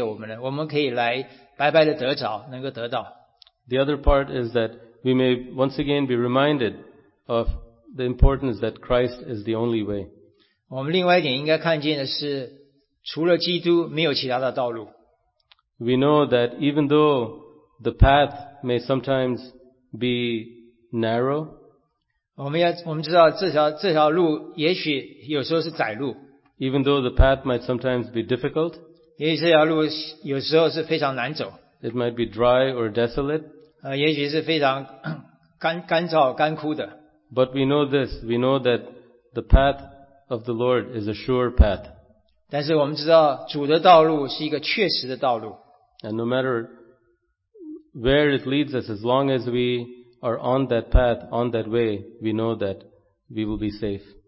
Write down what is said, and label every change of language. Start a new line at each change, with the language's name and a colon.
Chinese: 我们真是可能够看见这是神所赐给我们的，我们可以来白白的得着，能够得到。
English: The other part is that we may once again be reminded of the importance that Christ is the only way.
Chinese: 我们另外一点应该看见的是，除了基督，没有其他的道路。
English: We know that even though the path may sometimes be narrow,
Chinese: 我们知道这条路也许有时候是窄路。
English: Even though the path might sometimes be difficult,
Chinese: 因为这条路有时候是非常难走。
English: It might be dry or desolate,
Chinese: 也许是非常干燥干枯的。
English: But we know this, we know that the path of the Lord is a sure path.
Chinese: 但是我们知道主的道路是一个确实的道路。
English: And no matter where it leads us, as long as we are on that path, on that way, we know that we will be safe.